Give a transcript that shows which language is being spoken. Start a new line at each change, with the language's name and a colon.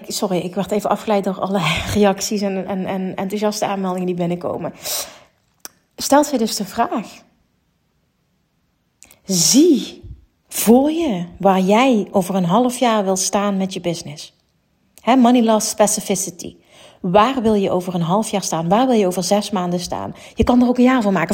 Dutch: Ik werd even afgeleid door alle reacties en enthousiaste aanmeldingen die binnenkomen. Stelt zij dus de vraag. Zie voor je waar jij over een half jaar wil staan met je business.
English: He, money loves specificity.
Dutch: Waar wil je over een half jaar staan? Waar wil je over 6 maanden staan? Je kan er ook een jaar van maken.